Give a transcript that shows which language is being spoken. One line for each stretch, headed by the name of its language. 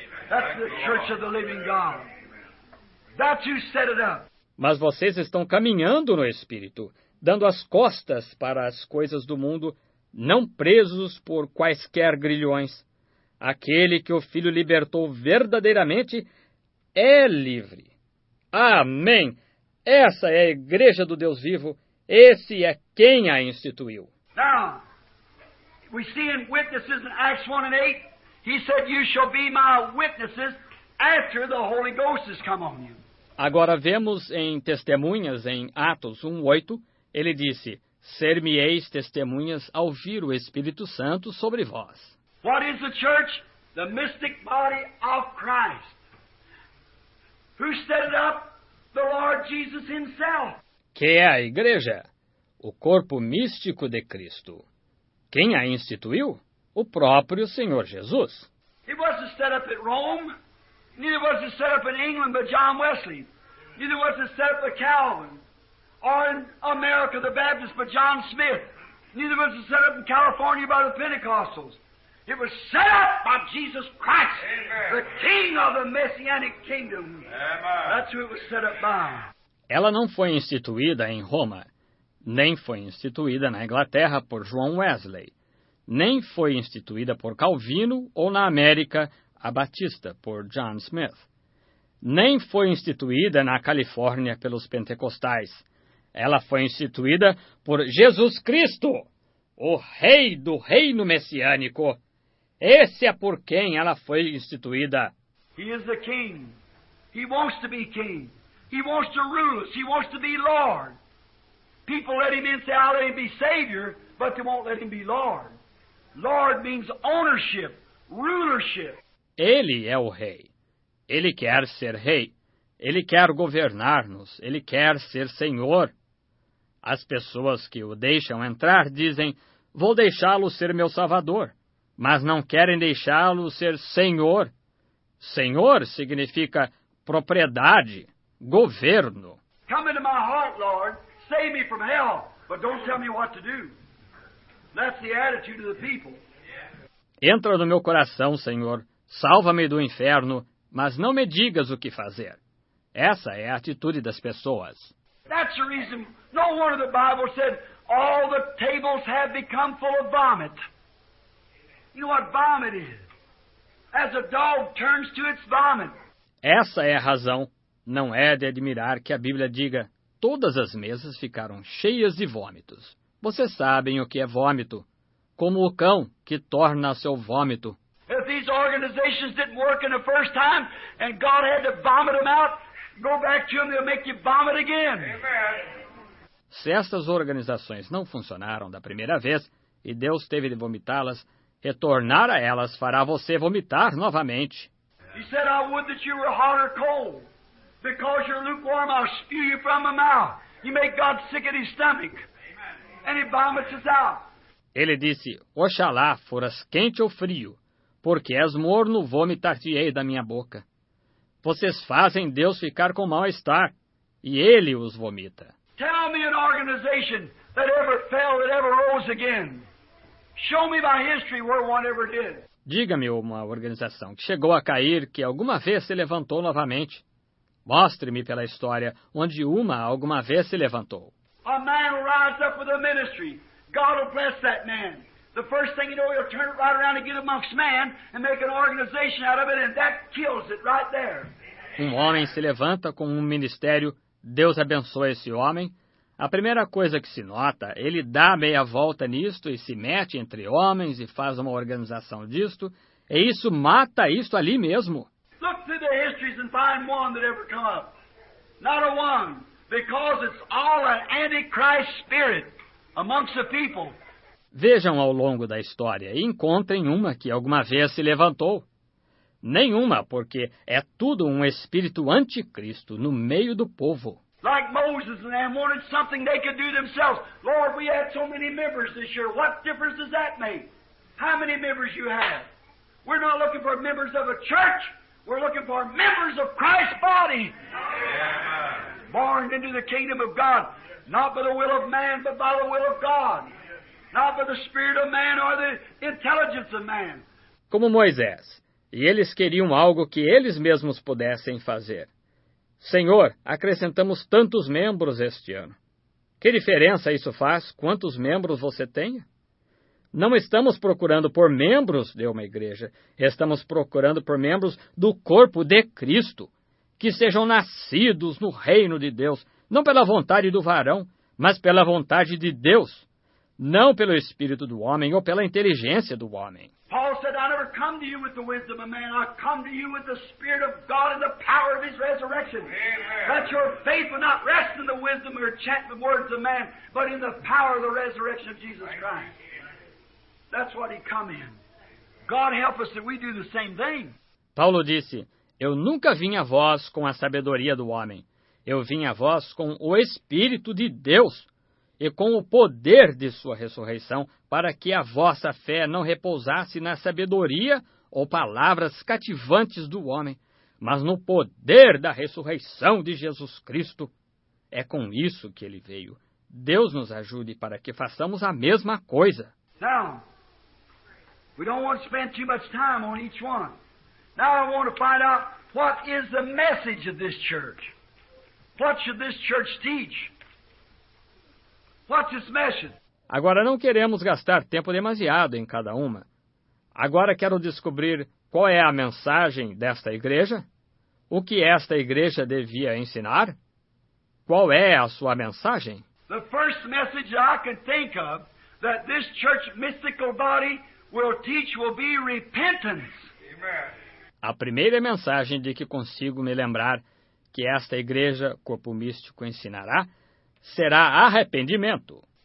English: That's the church of the living God. That you set it up.
Portuguese: Mas vocês estão caminhando no Espírito, dando as costas para as coisas do mundo, não presos por quaisquer grilhões. Aquele que o Filho libertou verdadeiramente é livre. Amém! Essa é a igreja do Deus vivo. Esse é quem a instituiu.
English: Now, we see in witnesses in Acts 1 and 8, He said, you shall be my witnesses after the Holy Ghost has come on you.
Portuguese: Agora vemos em testemunhas em Atos 1:8, ele disse, ser-me-eis testemunhas ao vir o Espírito Santo sobre vós.
English: What is the church? The mystic body of Christ. Who set it up? The Lord Jesus himself.
Portuguese: Que é a igreja? O corpo místico de Cristo. Quem a instituiu? O próprio Senhor Jesus.
English: It wasn't set up at Rome, neither was it set up in England by John Wesley, neither was it set up by Calvin, or in America the Baptist by John Smith, neither was it set up in California by the Pentecostals. It was set up by Jesus Christ, Amen. The King of the Messianic Kingdom. Amen. That's who it was set up by.
Portuguese: Ela não foi instituída em Roma, nem foi instituída na Inglaterra por John Wesley. Nem foi instituída por Calvino ou na América, a Batista, por John Smith. Nem foi instituída na Califórnia pelos pentecostais. Ela foi instituída por Jesus Cristo, o rei do reino messiânico. Esse é por quem ela foi instituída.
English: He is the king. He wants to be king. He wants to rule us. He wants to be Lord. People let him in, say, I'll let him be Savior, but they won't let him be Lord. Lord means ownership, rulership.
Portuguese: Ele é o rei. Ele quer ser rei. Ele quer governar-nos. Ele quer ser senhor. As pessoas que o deixam entrar dizem, vou deixá-lo ser meu salvador. Mas não querem deixá-lo ser senhor. Senhor significa propriedade, governo.
English: Come into my heart, Lord. Save me from hell, but don't tell me what to do. That's the attitude of the people.
Portuguese: Entra no meu coração, Senhor. Salva-me do inferno, mas não me digas o que fazer. Essa é a atitude das pessoas.
English: That's the reason no one of the Bible said all the tables have become full of vomit. You know what vomit is? As a dog turns to its vomit.
Portuguese: Essa é a razão. Não é de admirar que a Bíblia diga todas as mesas ficaram cheias de vômitos. Vocês sabem o que é vômito. Como o cão que torna seu vômito.
English: If these organizations didn't work in the first time and God had to vomit them out, go back to them, they'll make you vomit again. Amen.
Portuguese: Se estas organizações não funcionaram da primeira vez e Deus teve de vomitá-las, retornar a elas fará você vomitar novamente.
English: He said, I would that you were hot or cold. Because you're lukewarm, I'll spew you from my mouth. You make God sick at his stomach. And he vomits us out.
Portuguese: Ele disse, oxalá foras quente ou frio, porque és morno, vomitar-te-ei da minha boca. Vocês fazem Deus ficar com mal-estar, e ele os vomita.
English: Tell me an organization that ever fell, that ever rose again. Show me by history where one ever did.
Portuguese: Diga-me uma organização que chegou a cair, que alguma vez se levantou novamente. Mostre-me pela história onde uma alguma vez se levantou.
English: A man will rise up with a ministry. God will bless that man. The first thing you know, he'll turn it right around and get amongst man and make an organization out of it, and that kills it right there.
Portuguese: Um homem se levanta com um ministério. Deus abençoa esse homem. A primeira coisa que se nota, ele dá meia volta nisto e se mete entre homens e faz uma organização disto, e isso mata isto ali mesmo.
English: Look through the histories and find one that ever come up. Not a one, because it's all an antichrist spirit amongst the people.
Portuguese: Vejam ao longo da história e encontrem uma que alguma vez se levantou. Nenhuma, porque é tudo um espírito anticristo no meio do povo.
English: Like Moses and them wanted something they could do themselves. Lord, we had so many members this year. What difference does that make? How many members you have? We're not looking for members of a church. We're looking for members of Christ's body. Yeah. Born into the kingdom of God. Not by the will of man, but by the will of God. Not by the spirit of man or the intelligence of man.
Portuguese: Como Moisés. E eles queriam algo que eles mesmos pudessem fazer. Senhor, acrescentamos tantos membros este ano. Que diferença isso faz quantos membros você tenha? Não estamos procurando por membros de uma igreja. Estamos procurando por membros do corpo de Cristo, que sejam nascidos no reino de Deus, não pela vontade do varão, mas pela vontade de Deus, não pelo espírito do homem ou pela inteligência do homem.
English: Paul said, I never come to you with the wisdom of man. I come to you with the Spirit of God and the power of His resurrection. Amen. That your faith will not rest in the wisdom or enchantment words of man, but in the power of the resurrection of Jesus Christ. That's what He come in. God help us that we do the same thing.
Portuguese: Paulo disse, eu nunca vim a vós com a sabedoria do homem. Eu vim a vós com o Espírito de Deus. E com o poder de sua ressurreição, para que a vossa fé não repousasse na sabedoria ou palavras cativantes do homem, mas no poder da ressurreição de Jesus Cristo. É com isso que ele veio. Deus nos ajude para que façamos a mesma coisa.
English: Now, we don't want to spend too much time on each one. Now I want to find out what is the message of this church. What should this church teach? What's its mission?
Portuguese: Agora não queremos gastar tempo demasiado em cada uma. Agora quero descobrir qual é a mensagem desta igreja. O que esta igreja devia ensinar? Qual é a sua mensagem?
English: The first message I can think of that this church mystical body will teach will be repentance. Amen.
Portuguese: A primeira mensagem de que consigo me lembrar que esta igreja corpo místico ensinará será arrependimento.